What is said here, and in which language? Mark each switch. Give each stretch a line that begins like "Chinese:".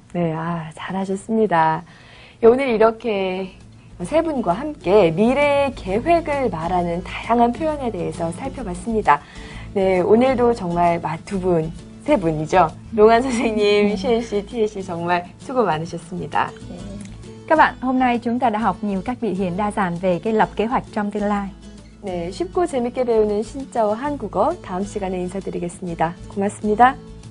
Korean: 네, 잘하셨습니다. 오늘 이렇게 세 분과 함께 미래의 계획을 말하는 다양한 표현에 대해서 살펴봤습니다. 네, 오늘도 정말 두 분, 세 분이죠. 롱한 선생님, 시엔 씨, 티에 씨 정말 수고 많으셨습니다.
Vietnamese: Các bạn, hôm nay chúng ta đã học nhiều các biểu hiện đa dạng về cái lập kế hoạch trong tương lai.
Korean: 네, 쉽고 재밌게 배우는 신짜와 한국어 다음 시간에 인사드리겠습니다. 고맙습니다.